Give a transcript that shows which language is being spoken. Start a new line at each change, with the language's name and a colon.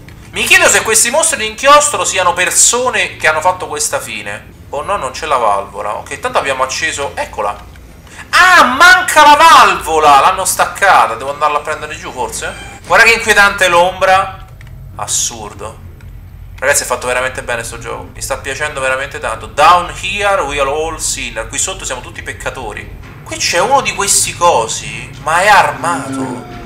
Italian: Mi chiedo se questi mostri di inchiostro siano persone che hanno fatto questa fine. Oh no, non c'è la valvola. Ok, tanto abbiamo acceso. Eccola. Ah, manca la valvola! L'hanno staccata. Devo andarla a prendere giù, forse? Guarda che inquietante l'ombra. Assurdo. Ragazzi, è fatto veramente bene sto gioco. Mi sta piacendo veramente tanto.
English: Down here we are all sinner.
Italian: Qui sotto siamo tutti peccatori. Qui c'è uno di questi cosi, ma è armato.